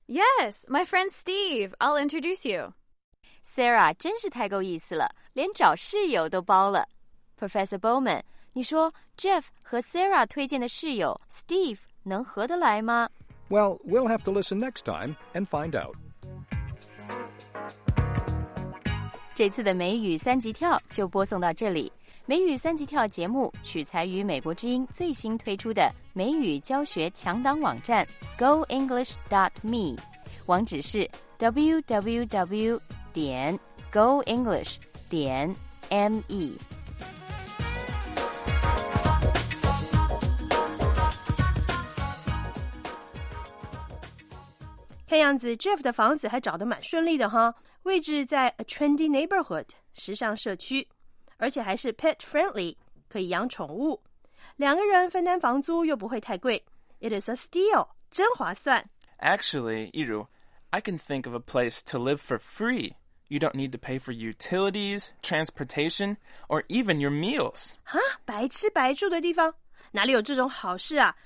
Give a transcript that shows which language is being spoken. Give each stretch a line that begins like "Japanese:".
English: Yes, my friend Steve. I'll introduce you.
Chinese: Sarah, 真是太够意思了，连找室友都包了。 Professor Bowman, 你说 Jeff 和 Sarah 推荐的室友 Steve 能合得来吗？
English: Well, we'll have to listen next time and find out.
Chinese: 这次的美语三级跳就播送到这里。美语三级跳节目取材于美国之音最新推出的美语教学强档网站 goenglish.me， 网址是 www.goenglish.me。看样子 Jeff 的房子还找得蛮顺利的哈，位置在
English: a trendy neighborhood
Chinese: 时尚社区，而且还是
English: pet friendly
Chinese: 可以养宠物，两个人分担房租又不会太贵。
English: It is a steal，
Chinese: 真划算。
English: Actually, Yiru, I can think of a place to live for free. You don't need to pay for utilities, transportation, or even your meals.
Chinese: 哈，白吃白住的地方，哪里有这种好事啊？